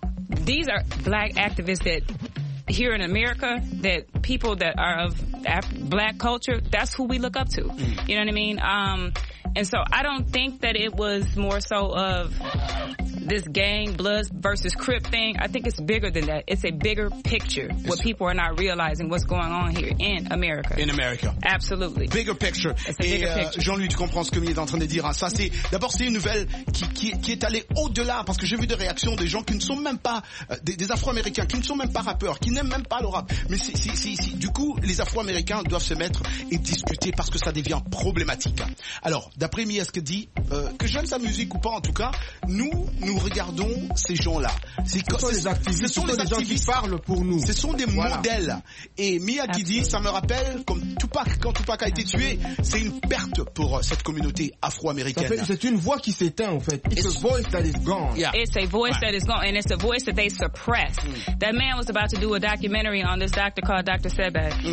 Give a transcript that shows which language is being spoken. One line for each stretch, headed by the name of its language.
English: These are black activists that here in America, that people that are of black culture, that's who we look up to. You know what I mean? And so I don't think that it was more so of this gang blood versus Crip thing. I think it's bigger than that. It's a bigger picture. What people are not realizing what's going on here in America. In America. Absolutely. Bigger picture. It's a bigger picture.
French: Jean-Louis, tu comprends ce que Mia est en train de dire. Hein. Ça, c'est d'abord, c'est une nouvelle qui est allée au-delà parce que j'ai vu des réactions des gens qui ne sont même pas des Afro-Américains, qui ne sont même pas rappeurs, qui n'aiment même pas le rap. Mais si. Du coup, les Afro-Américains doivent se mettre et discuter parce que ça devient problématique. Alors, d'après Mia, ce que dit, que j'aime sa musique ou pas, en tout cas, nous regardons ces gens-là. Ce sont des activistes qui parlent pour nous. Ce sont des modèles. Et Mia qui dit, ça me rappelle, comme Tupac, quand Tupac a été tué, c'est une perte pour cette communauté afro-américaine. C'est une voix qui s'éteint, en fait.
English: It's a voice that is gone. Yeah. It's a voice that is gone, and it's a voice that they suppress. Mm. That man was about to do a documentary on this doctor called Dr. Sebi.